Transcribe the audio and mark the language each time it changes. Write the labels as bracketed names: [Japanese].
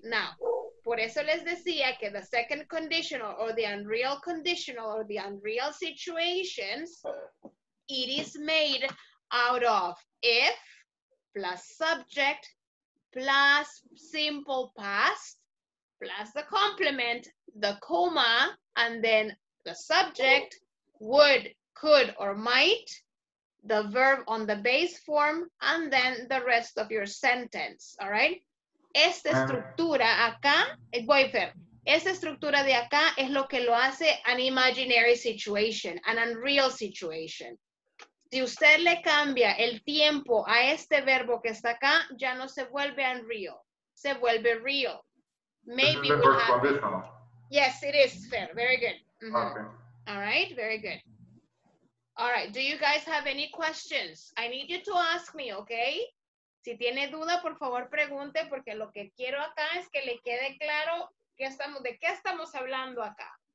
[English] Now, [Spanish] por eso les decía que [English] the second conditional or the unreal conditional or the unreal situations, it is made out of if plus subject plus simple past plus the complement, the comma, and then the subject. Would, could, or might, the verb on the base form, and then the rest of your sentence, all right? [Spanish] Esta estructura acá, voy a ver, esta estructura de acá es lo que lo hace [English] an imaginary situation, an unreal situation. [Spanish] Si usted le cambia el tiempo a este verbo que está acá, ya no se vuelve unreal, se vuelve real. [English] Maybe we have it. Yes, it is, fair, very good. Mm-hmm. Okay. All right, very good. All right, do you guys have any questions? I need you to ask me, okay? [Spanish] Si tiene duda, por favor, pregunte, porque lo que quiero acá es que le quede claro que estamos, de qué estamos hablando acá.